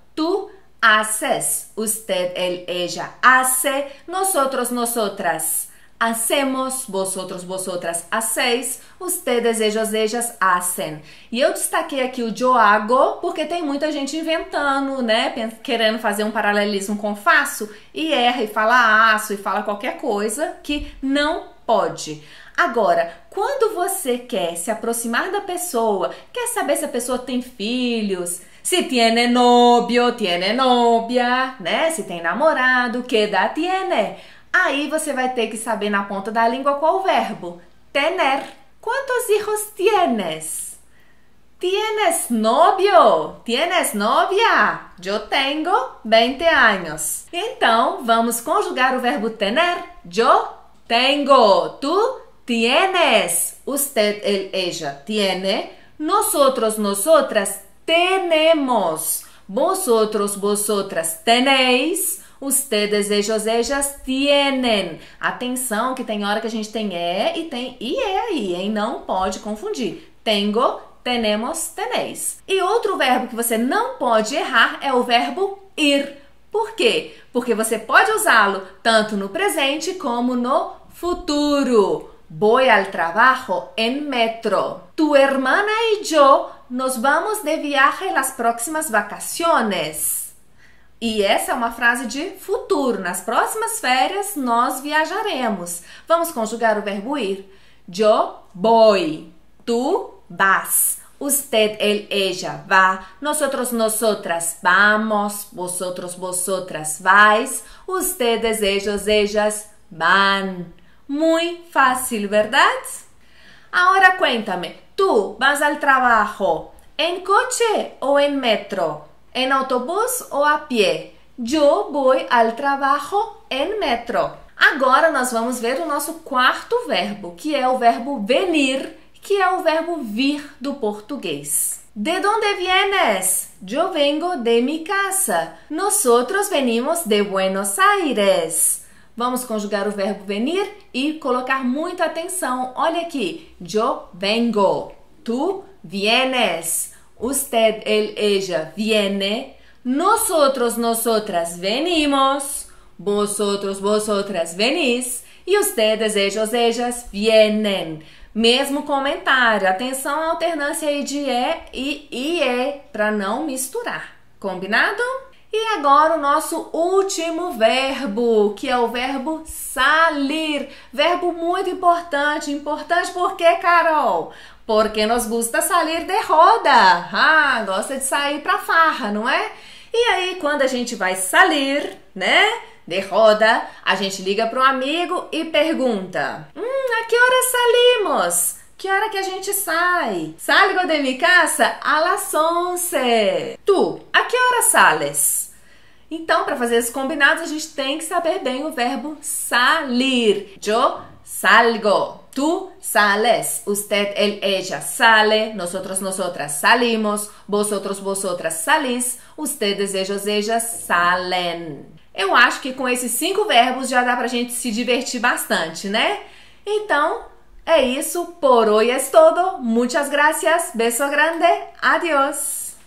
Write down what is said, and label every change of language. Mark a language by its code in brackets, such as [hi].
[es] Tu haces, usted, él, ella hace, nosotros, nosotras hacemos, vosotros, vosotras hacéis, ustedes, ellos, ellas hacen. [pt] E eu destaquei aqui o [es] yo hago [pt] porque tem muita gente inventando, né? Querendo fazer um paralelismo com faço e erra e fala aço e fala qualquer coisa que não pode. Agora, quando você quer se aproximar da pessoa, quer saber se a pessoa tem filhos. [es] Si tiene novio, tiene novia, né? [pt] Se tem namorado, que da tiene. Aí você vai ter que saber na ponta da língua qual o verbo. [es] Tener. Quantos hijos tienes? Tienes novio? Tienes novia? Yo tengo 20 años. [pt] Então, vamos conjugar o verbo tener. [es] Yo tengo. Tu tienes. Usted, él, ella tiene. Nosotros, nosotras tenemos, vosotros, vosotras tenéis, ustedes, ellos, ellas tienen. [pt] Atenção que tem hora que a gente tem e tem e aí, hein? Não pode confundir. [es] Tengo, tenemos, tenéis. [pt] E outro verbo que você não pode errar é o verbo ir. Por quê? Porque você pode usá-lo tanto no presente como no futuro. [es] Voy al trabajo en metro. Tu hermana y yo nos vamos de viaje las próximas vacaciones. [pt] E essa é uma frase de futuro. Nas próximas férias, nós viajaremos. Vamos conjugar o verbo ir. [es] Yo voy. Tu vas. Usted, él, ella va. Nosotros, nosotras vamos. Vosotros, vosotras vais. Ustedes, ellos, ellas van. Muy fácil, ¿verdad? Ahora cuéntame. Tú vas al trabajo. En coche ou en metro? En autobús ou a pé? Yo voy al trabajo en metro. [pt] Agora nós vamos ver o nosso quarto verbo, que é o verbo venir, que é o verbo vir do português. [es] De dónde vienes? Yo vengo de mi casa. Nosotros venimos de Buenos Aires. [pt] Vamos conjugar o verbo venir e colocar muita atenção. Olha aqui. [es] Yo vengo. Tu vienes. Usted, él, ella viene. Nosotros, nosotras venimos. Vosotros, vosotras venís. E ustedes, ellos, ellas vienen. [pt] Mesmo comentário. Atenção à alternância aí de é e é para não misturar. Combinado? E agora o nosso último verbo, que é o verbo salir. Verbo muito importante. Importante por quê, Carol? [es] Porque nos gusta salir de roda. [pt] Ah, gosta de sair pra farra, não é? E aí, quando a gente vai salir, né? De roda, a gente liga para um amigo e pergunta: [es] a que hora salimos? [pt] Que hora que a gente sai? [es] Salgo de mi casa a las 11. Tu, a que hora sales? [pt] Então, para fazer esses combinados, a gente tem que saber bem o verbo salir. [es] Yo salgo. Tu sales, usted, él, ella sale, nosotros, nosotras salimos, vosotros, vosotras salís, ustedes, ellos, ellas salen. [pt] Eu acho que com esses cinco verbos já dá pra gente se divertir bastante, né? Então, é isso. [es] Por hoy es todo. Muchas gracias. Beso grande. Adiós.